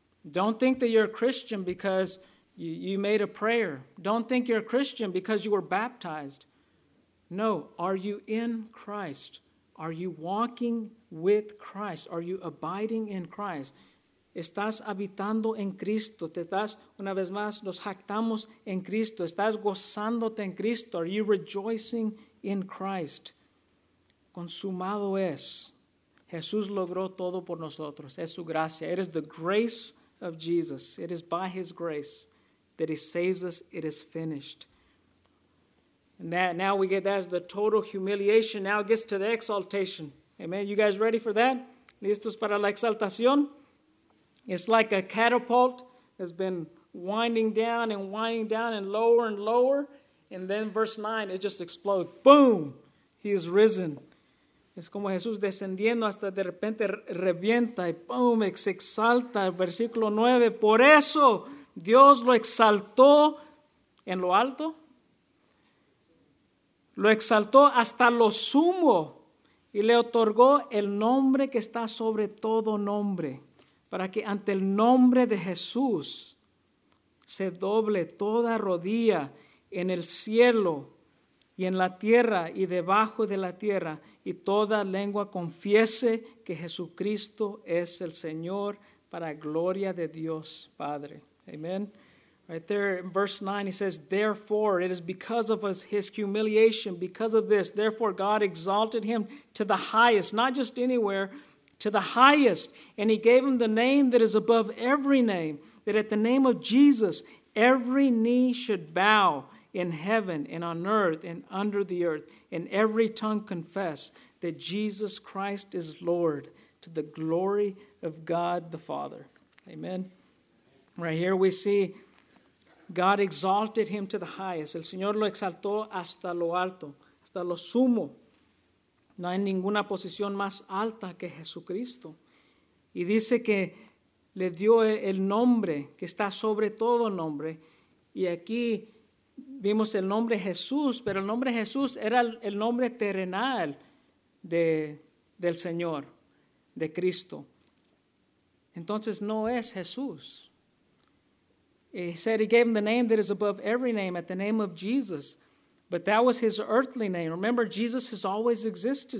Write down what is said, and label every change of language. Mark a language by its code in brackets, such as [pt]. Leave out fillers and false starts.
[en] Don't think that you're a Christian because you made a prayer. Don't think you're a Christian because you were baptized. No, are you in Christ? Are you walking with Christ? Are you abiding in Christ? [es] Estás habitando en Cristo. Te estás, una vez más, nos jactamos en Cristo. Estás gozándote en Cristo. [en] Are you rejoicing in Christ? [es] Consumado es. Jesús logró todo por nosotros. Es su gracia. [en] It is the grace of Jesus. It is by his grace that he saves us. It is finished. And that now we get that as the total humiliation. Now it gets to the exaltation. Amen. You guys ready for that? [es] ¿Listos para la exaltación? [en] It's like a catapult has been winding down and lower, and then verse 9, it just explodes. Boom! He is risen. [es] Es como Jesús descendiendo hasta de repente revienta y boom, se exalta. Versículo 9, por eso Dios lo exaltó en lo alto. Lo exaltó hasta lo sumo y le otorgó el nombre que está sobre todo nombre. Para que ante el nombre de Jesús se doble toda rodilla en el cielo y en la tierra y debajo de la tierra y toda lengua confiese que Jesucristo es el Señor para gloria de Dios Padre. Amen. [en] Right there in verse 9 he says, therefore, it is because of his humiliation, because of this, therefore God exalted him to the highest, not just anywhere, to the highest, and he gave him the name that is above every name, that at the name of Jesus, every knee should bow in heaven and on earth and under the earth, and every tongue confess that Jesus Christ is Lord, to the glory of God the Father. Amen. Right here we see God exalted him to the highest. [es] El Señor lo exaltó hasta lo alto, hasta lo sumo. No hay ninguna posición más alta que Jesucristo. Y dice que le dio el nombre que está sobre todo nombre. Y aquí vimos el nombre Jesús, pero el nombre Jesús era el nombre terrenal del Señor, de Cristo. Entonces no es Jesús. [en] He said he gave him the name that is above every name, at the name of Jesus. But that was his earthly name. Remember, Jesus has always existed.